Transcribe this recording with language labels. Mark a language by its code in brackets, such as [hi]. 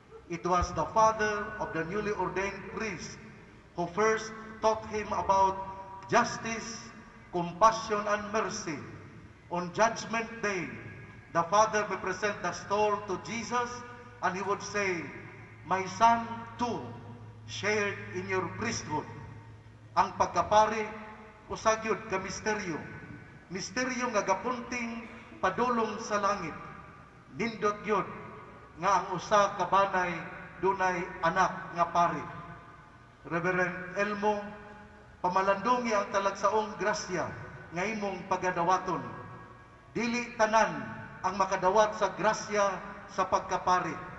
[en] It was the father of the newly ordained priest who first taught him about justice, compassion, and mercy. On judgment day, the father would present the stole to Jesus, and he would say, "My son too shared in your priesthood." [ceb] Ang pagkapari usagyod ka misteryo. Misteryo nga gapunting padulong sa langit. Nindot yun nga ang usa kabanay dunay anak nga pari. Reverend Elmo, pamalandungi ang talagsaong grasya nga imong pagadawaton. Dili tanan ang makadawat sa grasya sa pagkapari.